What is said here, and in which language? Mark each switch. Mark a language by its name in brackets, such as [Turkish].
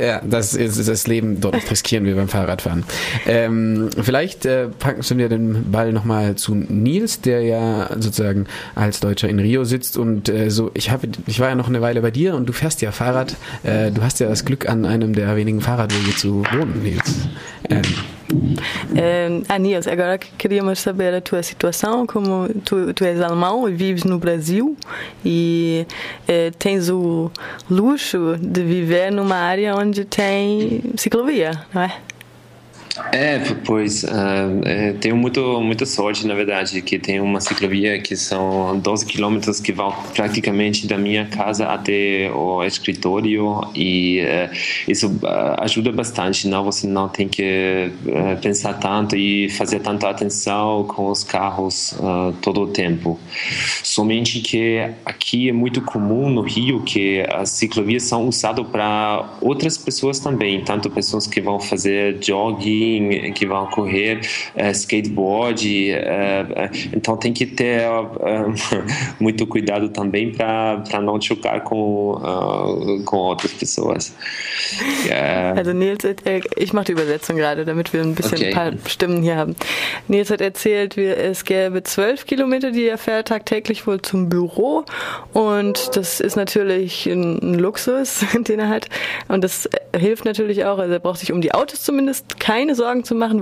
[German] Ja, das ist das Leben dort nicht riskieren wie beim Fahrradfahren. Vielleicht packen wir den Ball nochmal zu Nils, der ja sozusagen als Deutscher in Rio sitzt und so. Ich war ja noch eine Weile bei dir und du fährst ja Fahrrad. Du hast ja das Glück, an einem der wenigen Fahrradwege zu wohnen, Nils. [Portuguese] Nils, agora queríamos saber a tua situação, como tu és alemão e vives no Brasil e tens o luxo de viver numa área onde tem ciclovia, não é? É, pois, tenho muita sorte, na verdade, que tenho uma ciclovia que são 12 quilômetros que vão praticamente da minha casa até o escritório e isso ajuda bastante, não? Você não tem que pensar tanto e fazer tanta atenção com os carros todo o tempo. Somente que aqui é muito comum no Rio que as ciclovias são usadas para outras pessoas também, tanto pessoas que vão fazer jogging, que vão correr, skateboard, então tem que ter muito cuidado também para não chocar com outras pessoas. [German] Also Nils, ich mache die Übersetzung gerade, damit wir ein bisschen ein paar Stimmen hier haben. Nils hat erzählt, es gäbe 12 Kilometer, die er fährt tagtäglich wohl zum Büro und das ist natürlich ein Luxus, den er hat und das hilft natürlich auch, also er braucht sich um die Autos zumindest keine Sorgen zu machen.